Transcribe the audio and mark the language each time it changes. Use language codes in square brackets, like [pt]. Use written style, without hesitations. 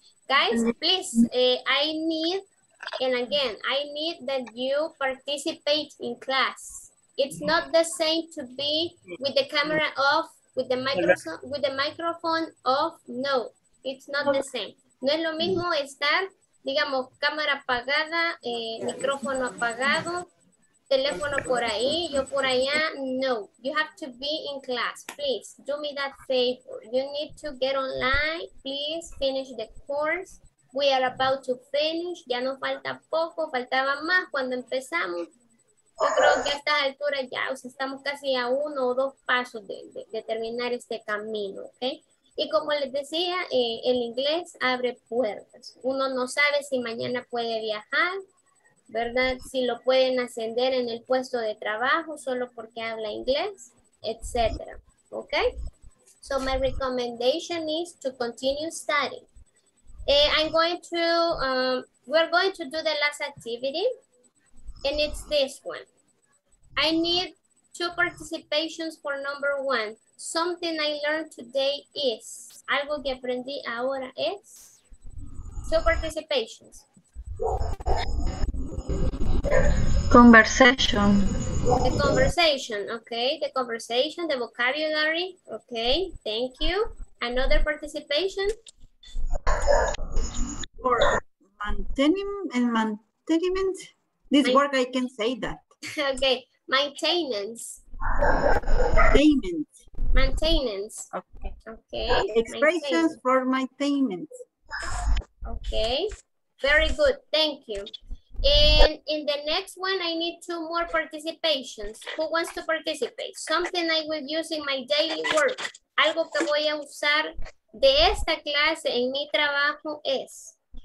[en] Guys, please, I need, and again, I need that you participate in class. It's not the same to be with the camera off, with the microphone off. No, it's not the same. [es] No es lo mismo estar, digamos, cámara apagada, micrófono apagado, teléfono por ahí, yo por allá. [en] No, you have to be in class. Please, do me that favor. You need to get online. Please finish the course. We are about to finish. [es] Ya nos falta poco, faltaba más cuando empezamos. Yo creo que a esta altura ya, o sea, estamos casi a uno o dos pasos de terminar este camino, ¿ok? Y como les decía, el inglés abre puertas. Uno no sabe si mañana puede viajar, ¿verdad? Si lo pueden ascender en el puesto de trabajo solo porque habla inglés, etc. [en] ¿Ok? So my recommendation is to continue studying. we're going to do the last activity, and it's this one. I need two participations for number one. Something I learned today is, [es] algo que aprendí ahora es, [en] two participations. Conversation. The conversation, okay. The conversation, the vocabulary, okay. Thank you. Another participation? For maintaining and maintenance. This work, I can say that. Okay. Maintenance. Payment. Maintenance. Okay. Expressions for maintenance. Okay. Very good. Thank you. And in the next one, I need two more participations. Who wants to participate? Something I will use in my daily work. [es] Algo que voy a usar de esta clase en mi trabajo es.